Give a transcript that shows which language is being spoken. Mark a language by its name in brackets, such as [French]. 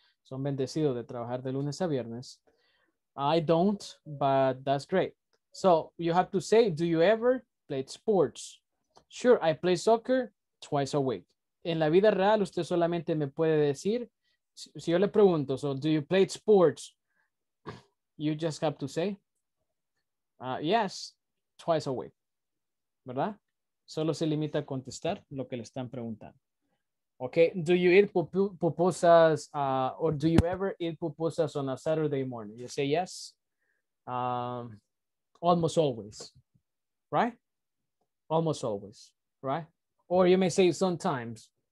[Spanish] Son bendecidos de trabajar de lunes a viernes. [English] I don't, but that's great. So you have to say, do you ever play sports? Sure, I play soccer 2 times a week. [Spanish] En la vida real, usted solamente me puede decir, si yo le pregunto, [English] so do you play sports? You just have to say, yes, 2 times a week, ¿verdad? [Spanish] Solo se limita a contestar lo que le están preguntando. [English] Okay, do you eat pupusas or do you ever eat pupusas on a Saturday morning? You say yes, almost always, right? Almost always, right? Or you may say sometimes.